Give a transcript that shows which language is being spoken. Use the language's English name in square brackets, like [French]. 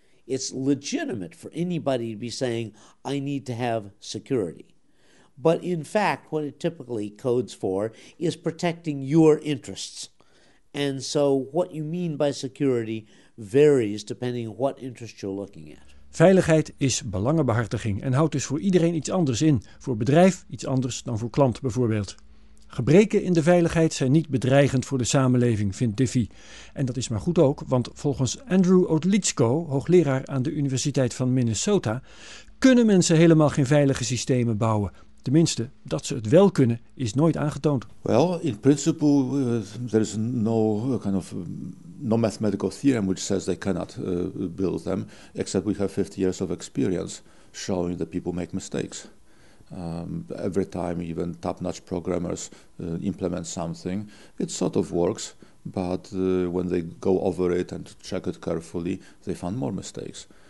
[English] It's legitimate for anybody to be saying, I need to have security. But in fact, what it typically codes for is protecting your interests. And so what you mean by security varies depending on what interest you're looking at. [Dutch] Veiligheid is belangenbehartiging en houdt dus voor iedereen iets anders in. Voor bedrijf iets anders dan voor klant bijvoorbeeld. Gebreken in de veiligheid zijn niet bedreigend voor de samenleving, vindt Diffy. En dat is maar goed ook, want volgens Andrew Odlitsko, hoogleraar aan de Universiteit van Minnesota, kunnen mensen helemaal geen veilige systemen bouwen. Tenminste, dat ze het wel kunnen, is nooit aangetoond. [English] Well, in principle, there is no kind of no mathematical theorem which says they cannot build them, except we have 50 years of experience showing that people make mistakes. Every time even top-notch programmers implement something, it sort of works, but when they go over it and check it carefully, they find more mistakes.